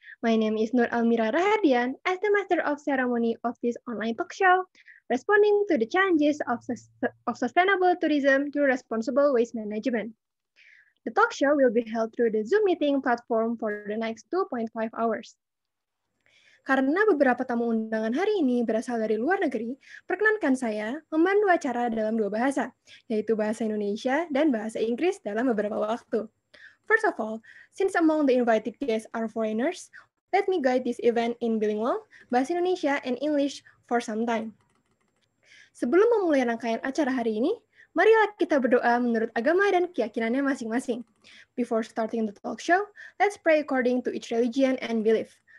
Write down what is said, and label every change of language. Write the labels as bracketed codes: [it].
[en] My name is Nur Almira Rahardian as the master of ceremony of this online talk show, responding to the challenges of sustainable tourism through responsible waste management. The talk show will be held through the Zoom meeting platform for the next 2.5 hours. [id] Karena beberapa tamu undangan hari ini berasal dari luar negeri, perkenankan saya memandu acara dalam dua bahasa, yaitu bahasa Indonesia dan bahasa Inggris dalam beberapa waktu. [en] First of all, since among the invited guests are foreigners, let me guide this event in bilingual, bahasa Indonesia and English for some time. [id] Sebelum memulai rangkaian acara hari ini, marilah kita berdoa menurut agama dan keyakinannya masing-masing. [en] Before starting the talk show, let's pray according to each religion and belief.